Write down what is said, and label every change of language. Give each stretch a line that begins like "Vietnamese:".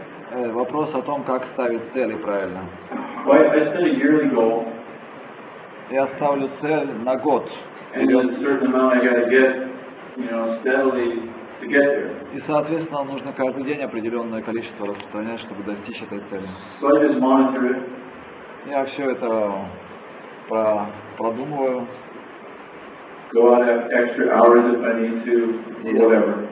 Russian: Вопрос о том, как ставить цели правильно.
English: Well, I set a yearly goal.
Russian: Я ставлю цель на год.
English: And there's a certain amount I gotta get steadily to get there.
Russian: И, соответственно, нам нужно каждый день определенное количество распространять, чтобы достичь этой цели.
English: So I just monitor it.
Russian: Я все это продумываю.
English: Go out and have extra hours if I need to, whatever.